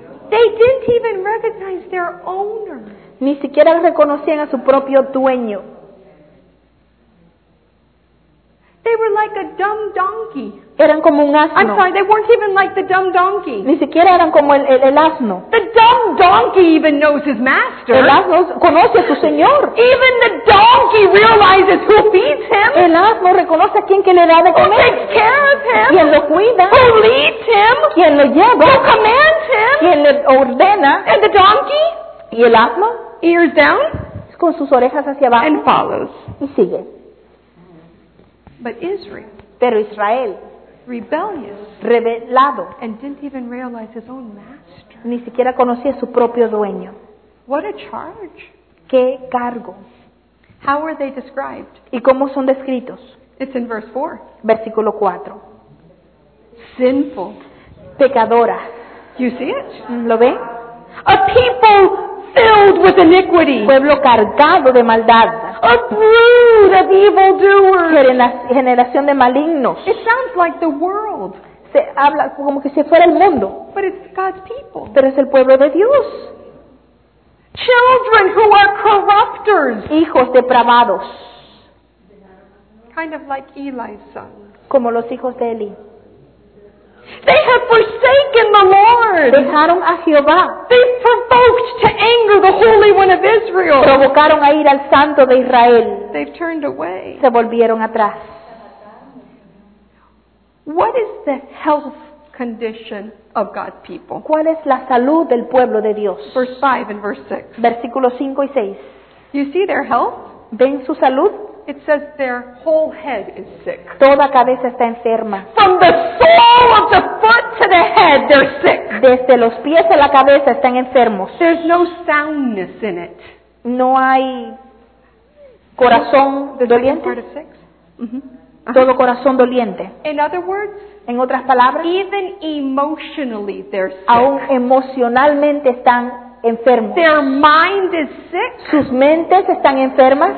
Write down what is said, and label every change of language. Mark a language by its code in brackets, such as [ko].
[en] They didn't even recognize their owner. [es] Ni siquiera reconocían a su propio dueño. [en] They were like a dumb donkey. [es] Eran como un asno. [en] I'm sorry, they weren't even like the dumb donkey. [es] Ni siquiera eran como el asno. [en] The dumb donkey even knows his master. [es] El asno conoce a su señor. [en] Even the donkey realizes who feeds him. [es] El asno reconoce a quien que le da de comer. [en] Who takes care of him. [es] Quien lo cuida. [en] Who leads him. [es] Quien lo lleva. [en] Who commands him. [es] Quien le ordena. [en] And the donkey. [es] Y el asno. [en] Ears down. [es] Con sus orejas hacia abajo. [en] And follows. [es] Y sigue. [en] But Israel. [es] Pero Israel. [en] Rebellious. [es] Rebelado. [en] And didn't even realize his own master. [es] Ni siquiera conocía su propio dueño. [en] What a charge. [es] Qué cargo. [en] How are they described? [es] ¿Y cómo son descritos? [en] It's in verse 4. [es] Versículo 4. [en] Sinful. [es] Pecadora. [en] You see it? [es] ¿Lo ve? [en] A people filled with iniquity. [es] Pueblo cargado de maldad. [en] A brood of evil doers. [es] Generación de malignos. [en] It sounds like the world. [es] Se habla como que si fuera el mundo. [en] But it's God's people. [es] Pero es el pueblo de Dios. [en] Children who are corruptors. [es] Hijos depravados. [en] Kind of like Eli's sons. [es] Como los hijos de Eli. [en] They have forsaken the Lord. [es] Dejaron a Jehová. [en] They provoked to anger the Holy One of Israel. [es] Provocaron a ir al Santo de Israel. [en] They've turned away. [es] Se volvieron atrás. [en] What is the health condition of God's people? [es] ¿Cuál es la salud del pueblo de Dios? [en] Verse 5 and verse 6. [es] Versículos 5 y 6. [en] You see their health? [es] ¿Ven su salud? [en] It says their whole head is sick. [es] Toda cabeza está enferma. [en] From the sole of the foot to the head, they're sick. [es] Desde los pies a la cabeza están enfermos. [en] There's no soundness in it. [es] No hay corazón doliente. [en] Part of six? [es] Uh-huh. Todo corazón doliente. [en] In other words, [es] en otras palabras, [en] even emotionally they're sick. [es] Aún emocionalmente están enfermos. [en] Their mind is sick. [es] Sus mentes están enfermas.